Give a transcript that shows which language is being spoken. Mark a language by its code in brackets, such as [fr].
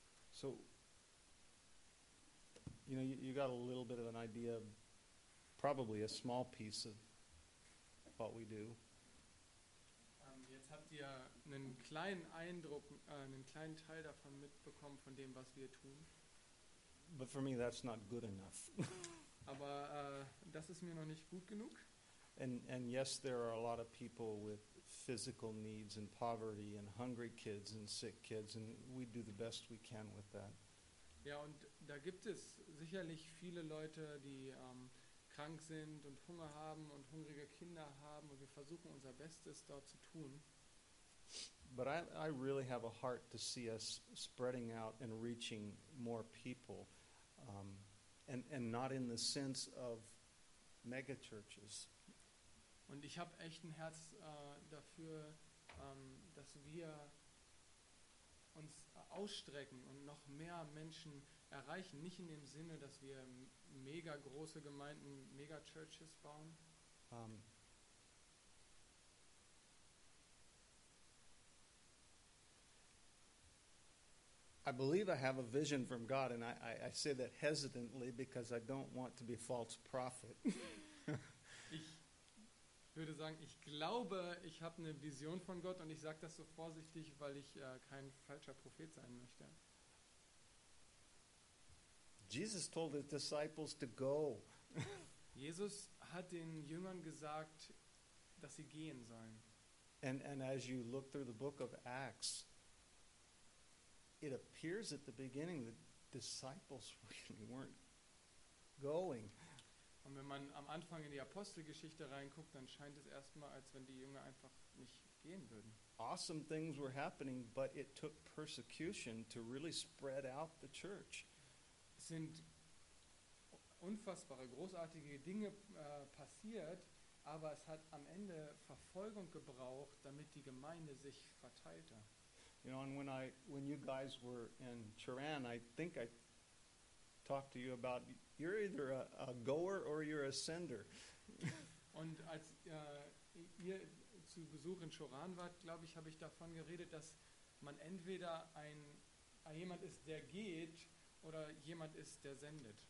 [en] So, you know, you got a little bit of an idea, probably a small piece of what we do. [de] Jetzt habt ihr einen kleinen Eindruck, einen kleinen Teil davon mitbekommen, von dem, was wir tun. [en] But for me, that's not good enough. [de] Aber das ist mir noch nicht gut genug. [en] And yes, there are a lot of people with physical needs and poverty and hungry kids and sick kids, and we do the best we can with that. [de] Ja, und da gibt es sicherlich viele Leute, die krank sind und Hunger haben und hungrige Kinder haben, und wir versuchen unser Bestes dort zu tun. [en] But I really have a heart to see us spreading out and reaching more people, and not in the sense of mega churches. [de] Und ich habe echt ein Herz dafür, dass wir uns ausstrecken und noch mehr Menschen erreichen. Nicht in dem Sinne, dass wir mega große Gemeinden, mega Churches bauen. [en] I believe I have a vision from God, and I say that hesitantly because I don't want to be false prophet. [de] Ich würde sagen, ich glaube, ich habe eine Vision von Gott, und ich sage das so vorsichtig, weil ich kein falscher Prophet sein möchte. [en] Jesus told the disciples to go. [de] Jesus hat den Jüngern gesagt, dass sie gehen sollen. [en] And as you look through the book of Acts, it appears at the beginning the disciples really weren't going. [de] Und wenn man am Anfang in die Apostelgeschichte reinguckt, dann scheint es erstmal, als wenn die Jünger einfach nicht gehen würden. [en] awesome things were happening, but it took persecution to really spread out the church. [de] Sind unfassbare, großartige Dinge passiert, aber es hat am Ende Verfolgung gebraucht, damit die Gemeinde sich verteilte. [en] You know, and when you guys were in Tehran, I think I talked to you about you're either a goer or you're a sender. [de] Und als ihr zu Besuch in Tehran wart, glaube ich, habe ich davon geredet, dass man entweder jemand ist, der geht, oder jemand ist, der sendet.